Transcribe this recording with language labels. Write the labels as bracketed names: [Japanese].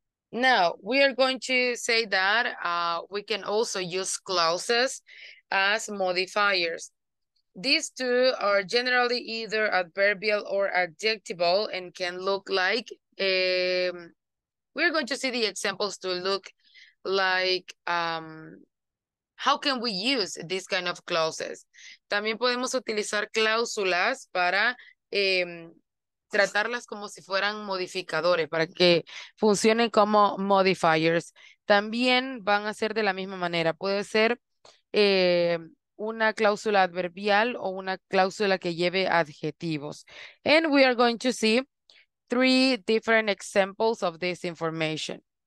[English] Now, we are going to say that we can also use clauses as modifiers. These two are generally either adverbial or adjectival, and can look like, we're going to see the examples to look like, how can we use these kind of clauses? [Spanish] También podemos utilizar cláusulas para tratarlas como si fueran modificadores, para que funcionen como modifiers. También van a ser de la misma manera. Puede ser una cláusula adverbial o una cláusula que lleve adjetivos. [English] And we are going to see three different examples of this information.